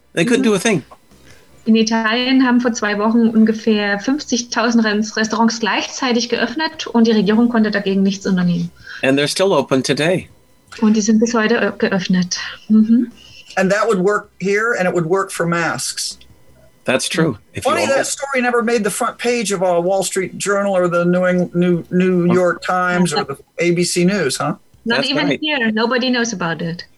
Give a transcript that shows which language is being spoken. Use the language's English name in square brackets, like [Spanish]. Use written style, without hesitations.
[English] They couldn't do a thing. [German] In Italien haben vor 2 Wochen ungefähr 50,000 Restaurants gleichzeitig geöffnet und die Regierung konnte dagegen nichts unternehmen. [English] And they're still open today. [German] Und die sind bis heute geöffnet. Mm-hmm. [English] And that would work here, and it would work for masks. That's true. If funny, that story never made the front page of a Wall Street Journal or the New York Times or the ABC News, huh? Not even here. Nobody knows about it.